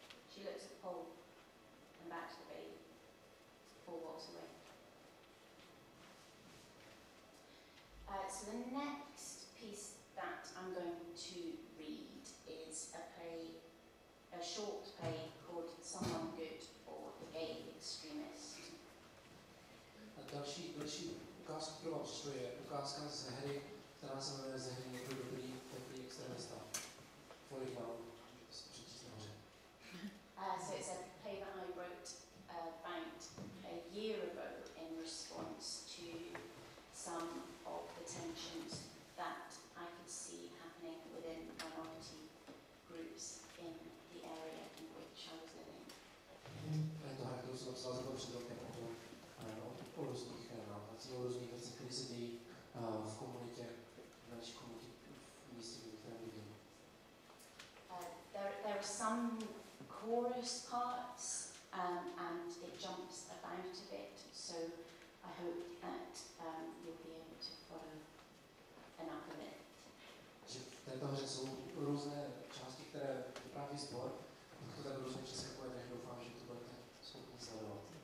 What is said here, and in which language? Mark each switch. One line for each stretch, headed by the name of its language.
English: She looks at Paul and back to the baby. Paul walks away. So the next piece that I'm going to read is a short play called Someone Good or the Gay Extremist.
Czech: A další ukázka pro vás, to je ukázka ze hry, která se jmenuje ze hry Někdo dobrý, dobrý extremista.
English: For Edinburgh. So it's a play that I wrote about a year ago in response to some of the tensions that I could see happening within minority groups in the area in which I was living.
Czech: A je to hra, kterou jsem napsal za to před rokem o různých návacích, o různých věcech, které se dějí v komunitě, v naší komunitě, v místě, v kterém vidím.
English: There are some chorus parts and it jumps about a bit, so I hope that you'll be able to follow enough of it.
Czech: Že v této hře jsou různé části, které vypráví sbor, tak to tak různě přeskakuje, tak doufám, že to budete schopni sledovat.